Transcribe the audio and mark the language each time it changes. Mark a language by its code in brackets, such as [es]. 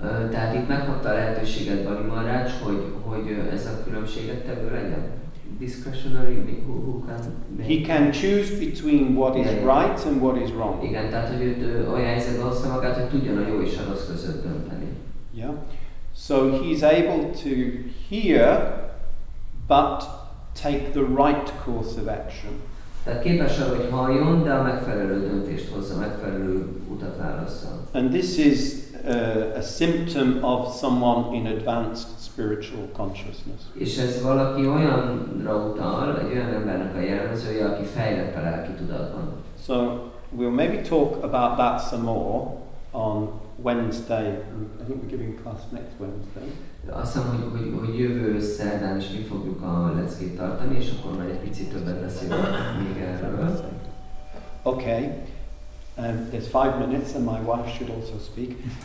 [hu] Tehát itt megkapta a lehetőséget Bali Maharaj, hogy ez a különbséget tevő legyen. [en] Discretionary, who can make. He can choose between what is right and what is wrong. [hu] Igen, tehát hogy olyan helyzetbe hozza magát, hogy tudjon a jó és a rossz között dönteni. [en] Yeah. So he's able to hear, but take the right course of action. [hu] Tehát képes arra, hogy halljon, de a megfelelő döntést hozza, megfelelő utat válassza. [en] And this is a symptom of someone in advanced spiritual consciousness. [hu] És ez valaki olyanra utal, egy olyan embernek a jelzője, aki fejlett a lelki tudatban. [en] So we'll maybe talk about that some more on Wednesday. I think we're giving class next Wednesday. [hu] Azt mondjuk, hogy jövő szerdán is mi fogjuk a leckét tartani, és akkor már egy picit többet beszélünk még erről. [en] Okay. There's 5 minutes and my wife should also speak.